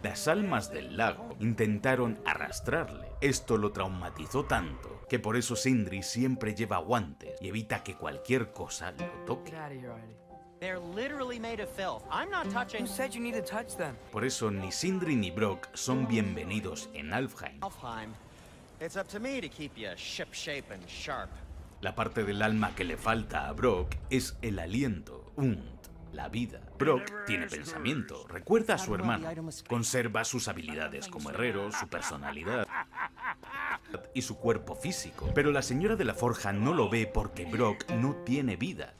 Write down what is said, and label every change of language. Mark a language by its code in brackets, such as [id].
[es] Las almas del lago intentaron arrastrarle. Esto lo traumatizó tanto que por eso Sindri siempre lleva guantes y evita que cualquier cosa lo toque. [en] Get out of here already. They're literally made of filth. I'm not touching. Who said you need to touch them? [es] Por eso ni Sindri ni Brock son bienvenidos en Alfheim. Alfheim. [en] It's up to me to keep you ship-shape and sharp. [es] La parte del alma que le falta a Brock es el aliento, Und, la vida. Brock tiene pensamiento, recuerda a su hermano, conserva sus habilidades como herrero, su personalidad y su cuerpo físico. Pero la señora de la forja no lo ve porque Brock no tiene vida.